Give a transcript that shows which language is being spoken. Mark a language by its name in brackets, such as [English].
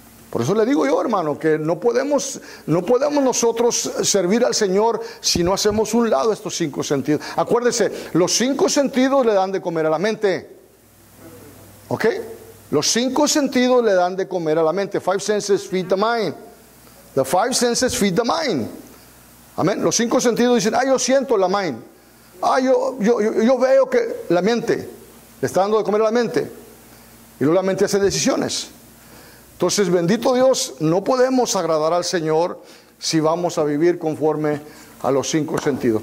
[Spanish] Por eso le digo yo, hermano, que no podemos nosotros servir al Señor si no hacemos un lado estos cinco sentidos. Acuérdese, los cinco sentidos le dan de comer a la mente. ¿Ok? Los cinco sentidos le dan de comer a la mente. [English] Five senses feed the mind. The five senses feed the mind. [Spanish] Amén. Los cinco sentidos dicen, yo siento la mind. Yo veo que la mente le está dando de comer a la mente. Y luego la mente hace decisiones. Entonces, bendito Dios, no podemos agradar al Señor si vamos a vivir conforme a los cinco sentidos.